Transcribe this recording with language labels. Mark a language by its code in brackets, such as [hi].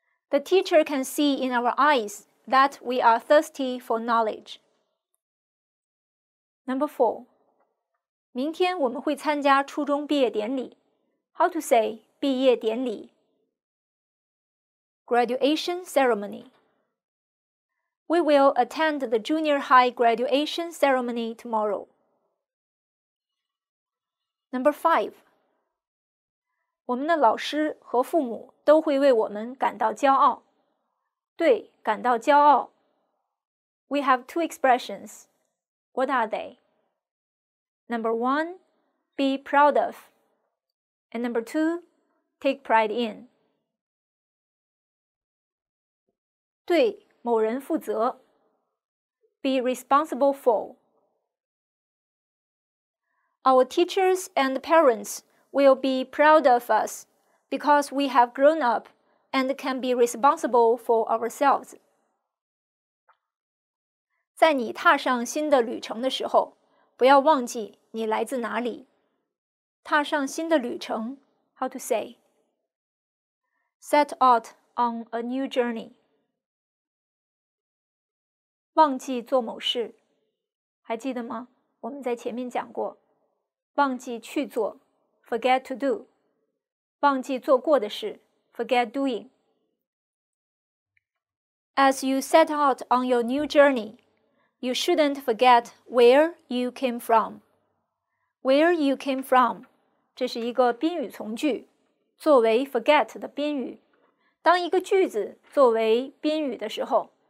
[en] The teacher can see in our eyes that we are thirsty for knowledge. Number four. [zh] 明天我们会参加初中毕业典礼。 [en] How to say [zh] 毕业典礼? [en] Graduation ceremony. We will attend the junior high graduation ceremony tomorrow. Number five. [zh] 我们的老师和父母都会为我们感到骄傲。对，感到骄傲。 [en] We have two expressions. What are they? Number one, be proud of. And number two, take pride in. [zh] 对，某人负责。 [en] Be responsible for. Our teachers and parents. Will be proud of us because we have grown up and can be responsible for ourselves. [zh] 在你踏上新的旅程的时候，不要忘记你来自哪里。踏上新的旅程 [en] how to say? Set out on a new journey. [zh] 忘记做某事，还记得吗？我们在前面讲过，忘记去做。 [en] Forget to do. [zh] 忘记做过的事 [en] Forget doing. As you set out on your new journey, you shouldn't forget where you came from. Where you came from. [zh] 这是一个宾语从句作为 forget 的宾语。当一个句子作为宾语的时候